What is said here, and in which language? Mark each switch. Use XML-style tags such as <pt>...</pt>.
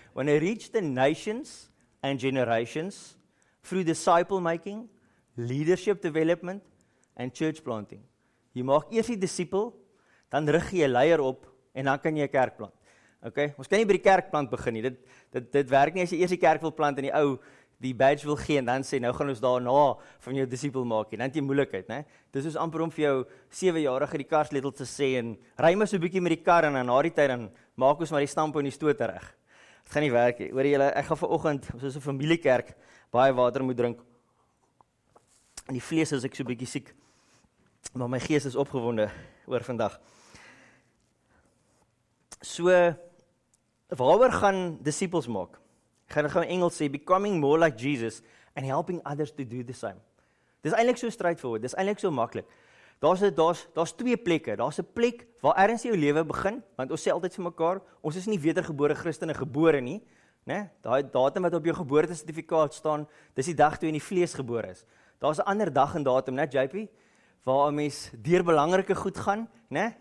<en>When I reach the nations and generations through disciple making, leadership development and church planting.</en> <af>Jy maak eers die disipel, dan rig jy 'n leier op en dan kan jy 'n kerk plant. Okay? Ons kan nie by die kerk plant begin nie. Dit werk nie as jy eers die kerk wil plant en die ou die badge wil gee en dan sê, nou gaan ons daarna van jou disipel maak, en dan het jy moeilikheid, ne? Dis soos amper om vir jou 7-jarige die karsletel te sê, en ry my so'n bykie met die kar, en na die tyd, en maak ons maar die stamp en die stoot terug. Dit gaan nie werk, he. Hoor jylle, ek gaan vanoggend, soos 'n familiekerk, baie water moet drink, en die vlees is ek so'n bykie siek, maar my gees is opgewonde oor vandag. So, waaroor gaan disipels maak? Ek gaan in Engels sê,</af> <en>becoming more like Jesus and helping others to do the same.</en> <af>Dit is eintlik so straightforward, dit is eintlik so maklik. Daar's twee plekke, daar's 'n plek waar ergens jou lewe begin, want ons sê altyd vir mekaar, ons is nie wedergebore Christene gebore nie, né? Daai datum wat op jou geboortesertifikaat staan, dis die dag toe in die vlees gebore is. Daar's 'n ander dag en datum, né, JP, waar 'n mens deur belangrike goed gaan, né?</af>